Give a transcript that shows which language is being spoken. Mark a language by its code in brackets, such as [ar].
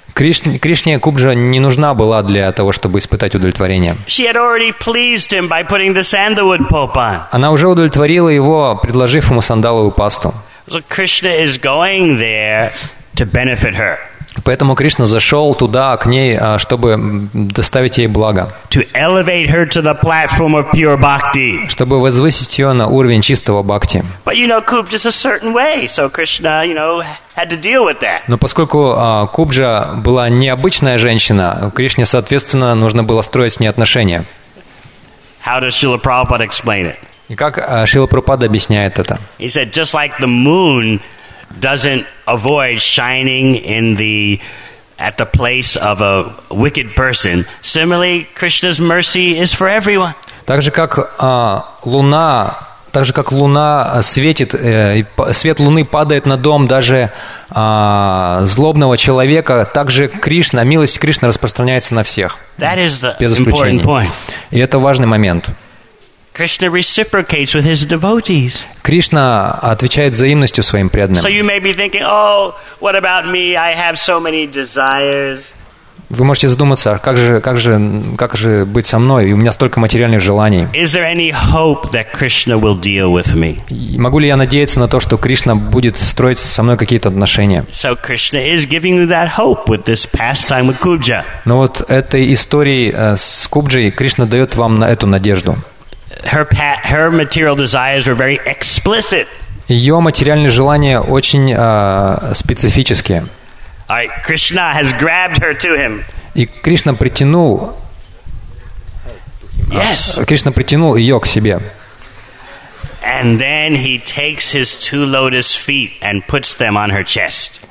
[ru] Кришне Кубджа не нужна была для того, чтобы испытать удовлетворение. [en] She had already pleased him by putting the sandalwood pulp on. [ru] Она уже удовлетворила его, предложив ему сандаловую пасту. [en] So Krishna is going there to benefit her. [ru] Поэтому Кришна зашел туда, к ней, чтобы доставить ей благо. [en] To elevate her to the platform of pure bhakti. [ru] Чтобы возвысить ее на уровень чистого бхакти. [en] But you know, Kubja's a certain way, so Krishna, you know, had to deal with that. [ru] Но поскольку Кубджа была необычная женщина, Кришне, соответственно, нужно было строить с ней отношения. [en] How does Srila Prabhupada explain it? [ru] И как Шрила Прабхупада объясняет это? [en] He said, just like the moon doesn't avoid shining in the at the place of a wicked person, similarly, Krishna's mercy is for everyone. [ru] Так же как луна, так же как луна светит, свет луны падает на дом даже злобного человека, так же Кришна, милость Кришны распространяется на всех. [en] That is the important point. [ru] И это важный момент. [en] Krishna reciprocates with his devotees. [ru] Кришна отвечает взаимностью своим преданным. [en] So you may be thinking, oh, what about me? I have so many desires. [ru] Вы можете задуматься, как же быть со мной? У меня столько материальных желаний. [en] Is there any hope that Krishna will deal with me? [ru] Могу ли я надеяться на то, что Кришна будет строить со мной какие-то отношения? [en] So Krishna is giving you that hope with this pastime with Kubja. [ru] Но вот этой историей с Кубджей Кришна дает вам на эту надежду. [en] Her material desires were very explicit. [ru] Ее материальные желания очень специфические. [en] All right, Krishna has grabbed her to him. [ru] И Кришна притянул. [en] Yes. [ru] Кришна притянул ее к себе. [en] And then he takes his two lotus feet and puts them on her chest.